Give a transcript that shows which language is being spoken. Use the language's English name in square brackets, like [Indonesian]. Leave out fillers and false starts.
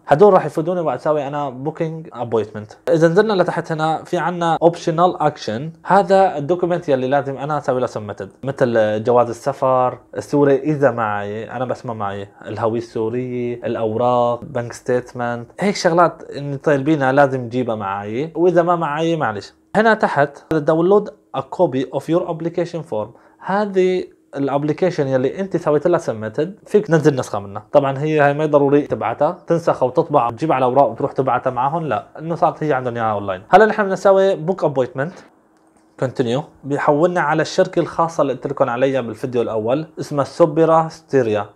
[Arabic] هدول راح يفيدوني وقت اسوي انا [English] Booking appointment. [Arabic] اذا نزلنا لتحت هنا في عنا [English] Optional action. [Arabic] هذا الدوكيمنت يلي لازم انا اسوي له سميتد مثل جواز السفر السوري اذا معي انا بس ما معي الهوية السورية الاوراق بنك ستيتمنت هيك شغلات اللي طالبينها لازم تجيبها معي. وإذا ما معي معلش. هنا تحت [English] download a copy of your application form. [Arabic] هذه الابليكيشن يلي انت سويت لها سميتد فيك نزل نسخه منها. طبعا هي هاي ما ضروري تبعتها تنسخ وتطبع تجيب على اوراق وتروح تبعتها معهم لا انه صارت هي عندهم اياها اونلاين. هلا نحن بنسوي [English] book appointment continue [Arabic] بيحولنا على الشركه الخاصه اللي قلت لكم عليها بالفيديو الاول اسمها سوبرا ستيريا.